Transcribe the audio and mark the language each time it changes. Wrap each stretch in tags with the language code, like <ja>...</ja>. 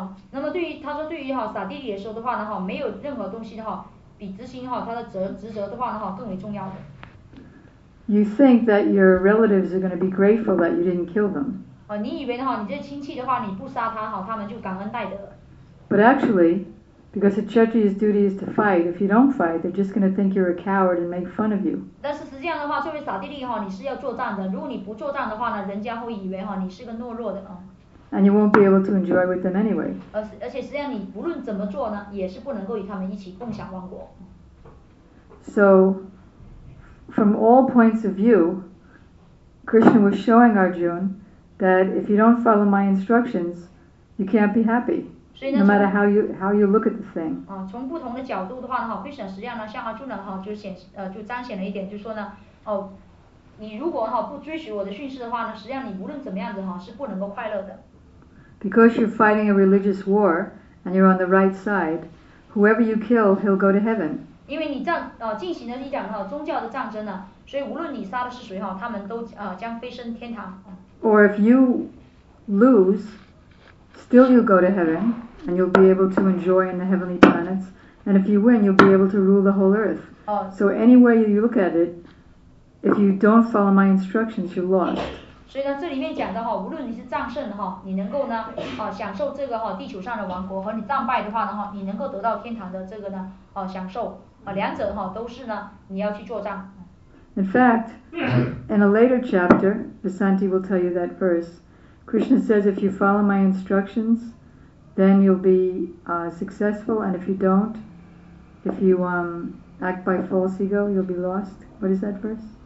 <zh>那么对于他说对于萨蒂里来说的话呢没有任何东西的比执行他的职责的话呢更为重要的</zh> <en>You think that your relatives are going to be grateful that you didn't kill them.</en> <zh>你以为呢你这亲戚的话你不杀他他们就感恩戴德。</zh> <en>But actually, because a Kshatriya's duty is to fight, if you don't fight, they're just going to think you're a coward and make fun of you.</en> <zh>但是实际上的话作为萨蒂利你是要作战的如果你不作战的话呢人家会以为你是个懦弱的。</zh> <en>And you won't be able to enjoy with them anyway.</en> <zh>而且实际上你不论怎么做呢也是不能够与他们一起共享王国。</zh> <en>So,From all points of view, Krishna was showing Arjuna that if you don't follow my instructions, you can't be happy, no matter how you look at the thing.</en> <zh>从不同的角度的话呢，哈 ，Krishna 实际上呢，向阿朱呢，哈，就彰显了一点，就说呢，你如果哈不追随我的训示的话呢，实际上你无论怎么样子哈，是不能够快乐的。</zh> <en>Because you're fighting a religious war and you're on the right side, whoever you kill, he'll go to heaven.</en> <zh>因为你这样进行了一场宗教的战争呢，所以无论你杀的是谁他们都将飞升天堂。</zh> <en>Or if you lose, still you go to heaven, and you'll be able to enjoy in the heavenly planets. And if you win, you'll be able to rule the whole earth. So anywhere you look at it, if you don't follow my instructions, you're lost.</en> <zh>所以呢，这里面讲的无论你是战胜你能够呢享受这个地球上的王国，和你战败的话呢你能够得到天堂的这个呢享受，两者都是呢你要去作战。</zh> <en>In fact, in a later chapter, Vasanti will tell you that verse. Krishna says, if you follow my instructions, then you'll be successful, and if you don't, if you act by false ego, you'll be lost. What is that verse?</en>